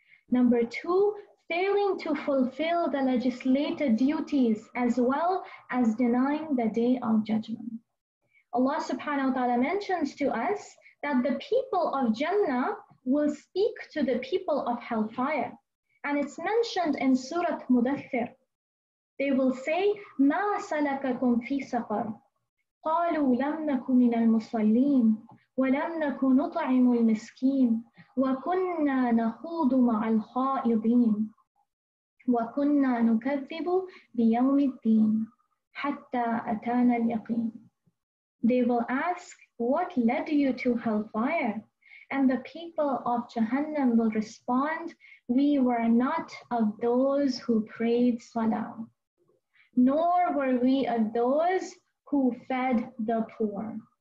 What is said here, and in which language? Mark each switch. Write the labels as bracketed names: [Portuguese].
[English] Number two, failing to fulfill the legislated duties as well as denying the day of judgment. Allah subhanahu wa ta'ala mentions to us that the people of Jannah will speak to the people of hellfire. And it's mentioned in Surah Mudathir. They will say, [Arabic] مَا سَلَكَكُمْ فِي سَقَرْ قَالُوا لَمْ نَكُ مِنَ الْمُصَلِّينَ وَلَمْ نَكُ نُطْعِمُ الْمِسْكِينَ وَكُنَّا نَخُوضُ مَعَ الْخَائِضِينَ وَكُنَّا نُكَذِّبُ بِيَوْمِ الدِّينَ حَتَّى أَتَانَ الْيَقِينَ. [English] They will ask, what led you to hellfire? And the people of Jahannam will respond, we were not of those who prayed salah, nor were we of those who fed the poor.